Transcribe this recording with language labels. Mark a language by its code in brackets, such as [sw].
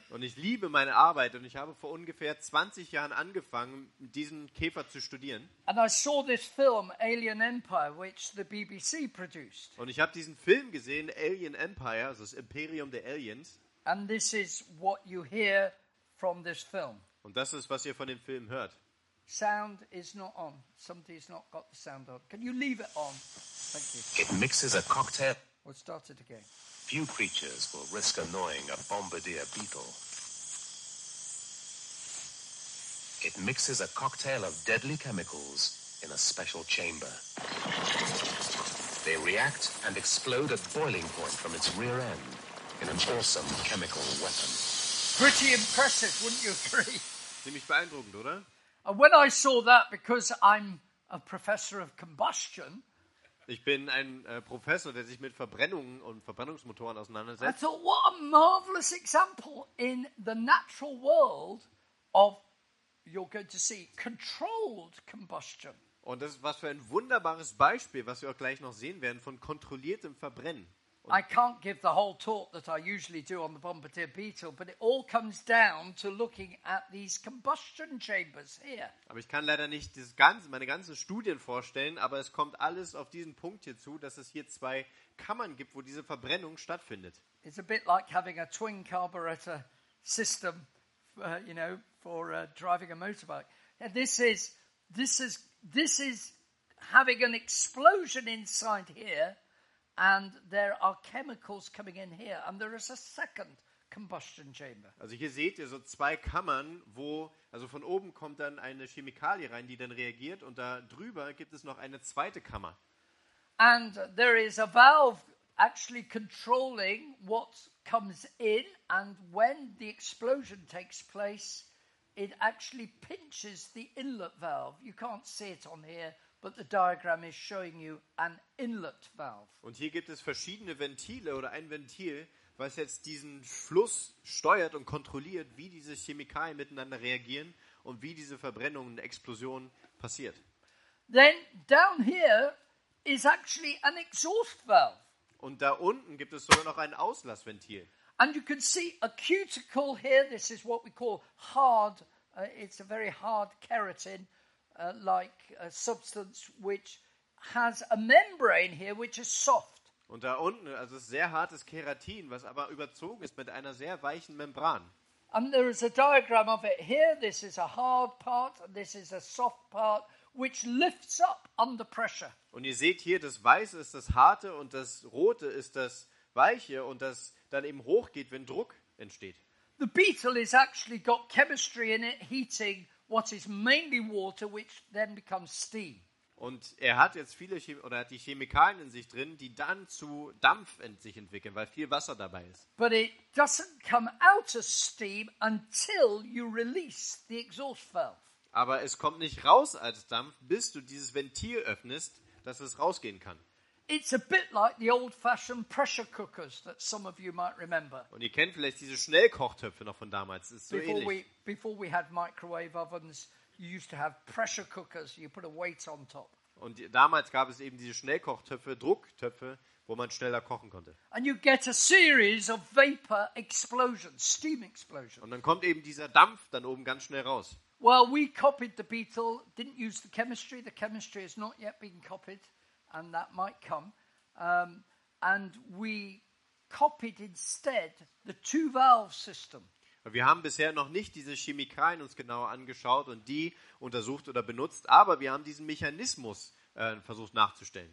[de] Und ich liebe meine Arbeit, und ich habe vor ungefähr 20 Jahren angefangen, diesen Käfer zu studieren. [en] And I saw this film Alien Empire, which the BBC produced. [de] Und ich habe diesen Film gesehen, Alien Empire, also das Imperium der Aliens. [en] And this is what you hear from this film. [de] Und das ist, was ihr von dem Film hört. [en] Sound is not on. Somebody's not got the sound on. Can you leave it on? Thank you. It mixes a cocktail. We'll start it again. Few creatures will risk annoying a bombardier beetle. It mixes a cocktail of deadly chemicals in a special chamber. They react and explode at boiling point from its rear end in an awesome chemical weapon. Pretty impressive, wouldn't you agree? [de] Ziemlich beeindruckend, oder? [en] And when I saw that, because I'm a professor of combustion, [de] ich bin ein Professor, der sich mit Verbrennungen und Verbrennungsmotoren auseinandersetzt. [en] I thought, what a marvelous example in the natural world of, you're going to see, controlled combustion. [de] Und das ist was für ein wunderbares Beispiel, was wir auch gleich noch sehen werden, von kontrolliertem Verbrennen. [en] Und I can't give the whole talk that I usually do on the bombardier beetle, but it all comes down to looking at these combustion chambers here. [de] Aber ich kann leider nicht das ganze, meine ganzen Studien vorstellen, aber es kommt alles auf diesen Punkt hier zu, dass es hier zwei Kammern gibt, wo diese Verbrennung stattfindet. [en] It's a bit like having a twin carburetor system, you know, for driving a motorbike. And this is having an explosion inside here. And there are chemicals coming in here, and there is a second combustion chamber. [de] Also hier seht ihr so zwei Kammern, wo also von oben kommt dann eine Chemikalie rein, die dann reagiert, und da drüber gibt es noch eine zweite Kammer. [en] And there is a valve actually controlling what comes in, and when the explosion takes place, it actually pinches the inlet valve. You can't see it on here. But the diagram is showing you an inlet valve. [de] Und hier gibt es verschiedene Ventile oder ein Ventil, was jetzt diesen Fluss steuert und kontrolliert, wie diese Chemikalien miteinander reagieren und wie diese Verbrennung und Explosion passiert. [en] Then down here is actually an exhaust valve. [de] Und da unten gibt es sogar noch ein Auslassventil. [en] And you can see a cuticle here. This is what we call hard. It's a very hard keratin. Like a substance which has a membrane here which is soft. [de] Und da unten, also sehr hartes Keratin, was aber überzogen ist mit einer sehr weichen Membran. [en] And there is a diagram of it here. This is a hard part, and this is a soft part which lifts up under pressure. [de] Und ihr seht hier, das Weiße ist das Harte und das Rote ist das Weiche, und das dann eben hochgeht, wenn Druck entsteht. [en] The beetle is actually got chemistry in it, heating what is mainly water, which then becomes steam. [de] Und er hat jetzt viele hat die Chemikalien in sich drin, die dann zu Dampf in sich entwickeln, weil viel Wasser dabei ist. [en] But it doesn't come out as steam until you release the exhaust valve. [de] Aber es kommt nicht raus als Dampf, bis du dieses Ventil öffnest, dass es rausgehen kann. [en] It's a bit like the old-fashioned pressure cookers that some of you might remember. [de] Und ihr kennt vielleicht diese Schnellkochtöpfe noch von damals. Ist so ähnlich. [en] Before we had microwave ovens, you used to have pressure cookers. You put a weight on top. [de] Und damals gab es eben diese Schnellkochtöpfe, Drucktöpfe, wo man schneller kochen konnte. [en] And you get a series of vapor explosions, steam explosions. [de] Und dann kommt eben dieser Dampf dann oben ganz schnell raus. [en] Well, we copied the beetle. Didn't use the chemistry. The chemistry has not yet been copied. And that might come. And we copied instead the two-valve system. [de] Wir haben bisher noch nicht diese Chemikalien uns genauer angeschaut und die untersucht oder benutzt, aber wir haben diesen Mechanismus versucht nachzustellen.